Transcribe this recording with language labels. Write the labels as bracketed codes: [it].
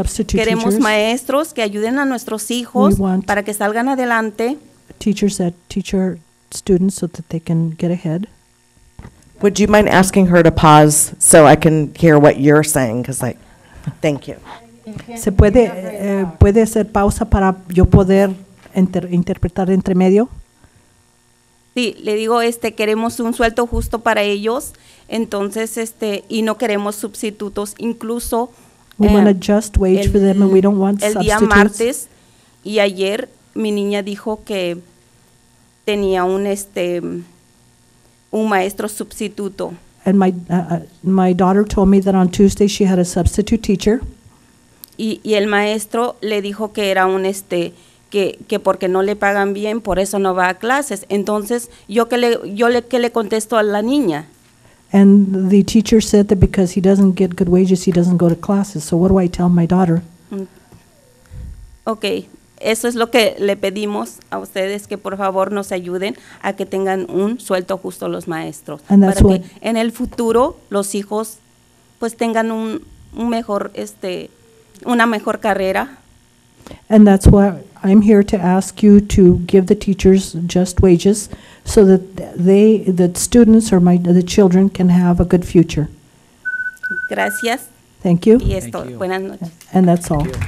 [es] Queremos maestros que ayuden a nuestros hijos para que salgan adelante. [en] Teachers that teach our students so that they can get ahead. Would you mind asking her to pause so I can hear what you're saying? Because thank you. [es] ¿Se puede hacer pausa para yo poder interpretar entre medio? Sí, le digo, queremos un sueldo justo para ellos, entonces, y no queremos sustitutos, incluso [en] we want a just wage for them, and we don't want [es] el [en] substitutes. [es] Día martes, y ayer, mi niña dijo que tenía un maestro sustituto. [en] And my daughter told me that on Tuesday she had a substitute teacher. [es] Y el maestro le dijo que era que porque no le pagan bien, por eso no va a clases. Entonces, ¿qué le contesto a la niña? [en] And the teacher said that because he doesn't get good wages, he doesn't go to classes. So what do I tell my daughter? [es] Okay, eso es lo que le pedimos a ustedes, que por favor nos ayuden a que tengan un sueldo justo los maestros. [en] And that's [es] para [en] what [es] que en el futuro los hijos pues tengan un mejor una mejor carrera. [en] And that's why I'm here to ask you to give the teachers just wages so that the children can have a good future. [es] Gracias. [en] Thank you. [es] Y esto, buenas noches. [en] And that's all.